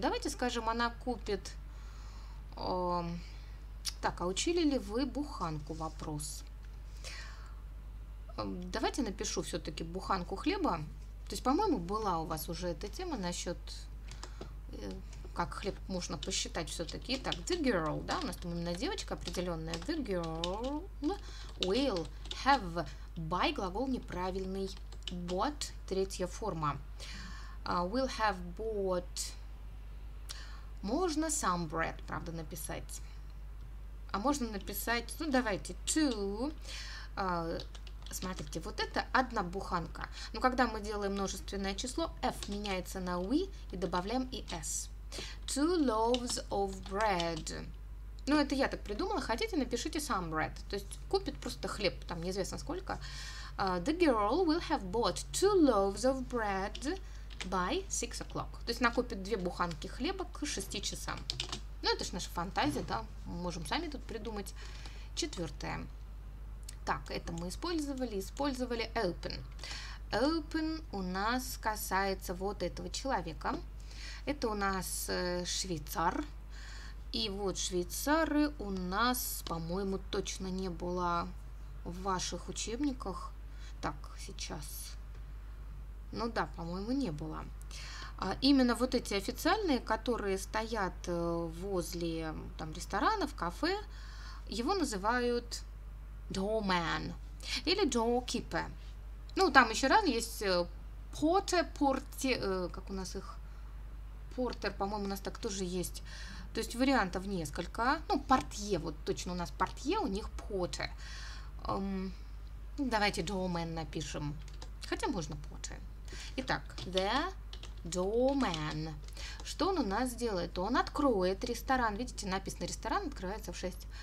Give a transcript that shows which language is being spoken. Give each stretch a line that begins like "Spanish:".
Russian: Давайте, скажем, она купит. Так, а учили ли вы буханку? Вопрос. Давайте напишу все-таки буханку хлеба. То есть, по-моему, была у вас уже эта тема насчет, как хлеб можно посчитать все-таки. Итак,
English: the girl,
Russian: да, у нас там именно девочка определенная.
English: The girl will have by
Russian: глагол неправильный.
English: Bought
Russian: третья форма.
English: Will have bought.
Russian: Можно
English: some bread,
Russian: правда, написать. А можно написать, ну давайте, to. Смотрите, вот это одна буханка. Но когда мы делаем множественное число, f меняется на we и добавляем и s.
English: Two loaves of bread.
Russian: Ну, это я так придумала. Хотите, напишите
English: some bread.
Russian: То есть купит просто хлеб, там неизвестно сколько.
English: The girl will have bought two loaves of bread by 6 o'clock.
Russian: То есть она купит две буханки хлеба к 6 часам. Ну, это же наша фантазия, да. Мы можем сами тут придумать. Четвертое. Так, это мы использовали. Использовали open. Open у нас касается вот этого человека. Это у нас швейцар. И вот швейцары у нас, по-моему, точно не было в ваших учебниках. Так, сейчас. Ну да, по-моему, не было. Именно вот эти официальные, которые стоят возле там ресторанов, кафе, его называют doorman или doorkeeper. Ну, там еще раз есть porter, как у нас их, портер, по-моему, у нас так тоже есть. То есть вариантов несколько. Ну, портье, вот точно у нас портье, у них портер. Давайте doorman напишем. Хотя можно portier. Итак,
English: the doorman.
Russian: Что он у нас сделает? Он откроет ресторан. Видите, написано ресторан, открывается в 6.